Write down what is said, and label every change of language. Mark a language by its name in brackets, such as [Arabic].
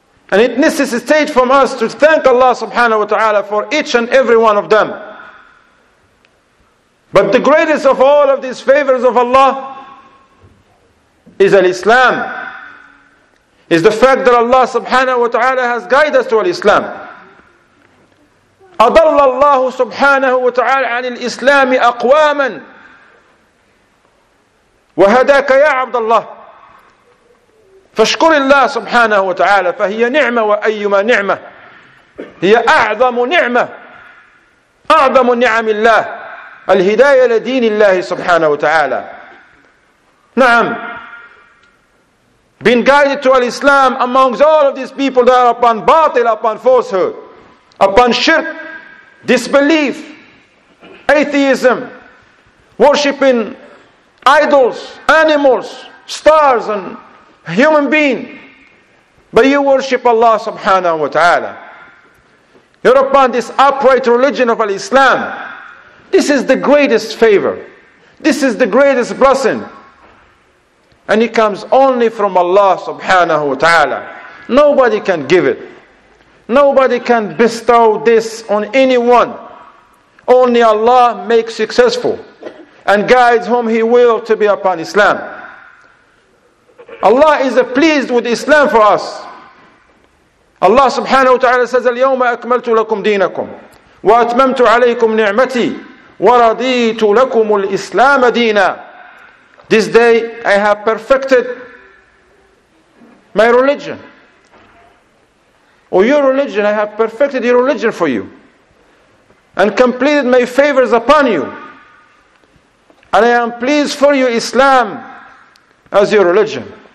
[English] And it necessitates from us to thank Allah subhanahu wa ta'ala for each and every one of them. But the greatest of all of these favors of Allah is al-Islam. Is the fact that Allah subhanahu wa ta'ala has guided us to al-Islam. [Arabic] أَضَلَّ اللَّهُ سُبْحَانَهُ وَتَعَالَى عَنِ الْإِسْلَامِ أَقْوَامًا وَهَدَاكَ يَا عَبْدَ اللَّهِ فَاشْكُرِ اللَّهُ سُبْحَانَهُ وَتَعَالَى فَهِيَ نِعْمَةً وَأَيُّمَا نِعْمَةً هي أعظم نعمة أعظم نعم الله الهداية لدين الله سبحانه وتعالى. نعم, [English] being guided to al-Islam amongst all of these people that are upon batil, upon falsehood, upon shirk, disbelief, atheism, worshipping idols, animals, stars and human being. But you worship Allah subhanahu wa ta'ala. You're upon this upright religion of al-Islam. This is the greatest favor. This is the greatest blessing. And it comes only from Allah subhanahu wa ta'ala. Nobody can give it. Nobody can bestow this on anyone. Only Allah makes successful and guides whom He will to be upon Islam. Allah is pleased with Islam for us. Allah subhanahu wa ta'ala says, [Arabic] الْيَوْمَ أَكْمَلْتُ لَكُمْ دِينَكُمْ وَأَتْمَمْتُ عَلَيْكُمْ نِعْمَتِي وَرَضِيتُ لَكُمُ الْإِسْلَامَ دِينًا. [English] This day I have perfected my religion. Your religion, I have perfected your religion for you and completed my favors upon you. And I am pleased for you, Islam, as your religion.